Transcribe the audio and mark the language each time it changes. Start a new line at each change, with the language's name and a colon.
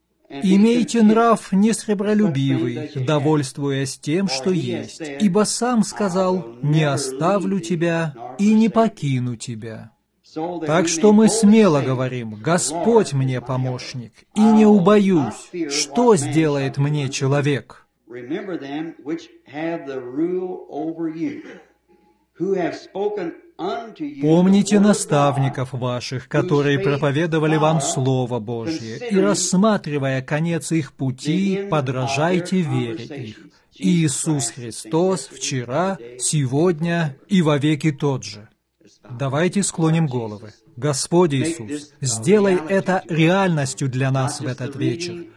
Russian: Имейте нрав несребролюбивый, довольствуясь тем, что есть, ибо сам сказал: «Не оставлю тебя и не покину тебя». Так что мы смело говорим: «Господь мне помощник, и не убоюсь, что сделает мне человек».
English: Remember them which have the rule over you, who have spoken unto you.
Russian: Помните наставников ваших, которые проповедовали вам Слово Божье, и рассматривая конец их пути, подражайте вере их. Иисус Христос вчера, сегодня и вовеки тот же. Давайте склоним головы. Господь Иисус, сделай это реальностью для нас в этот вечер.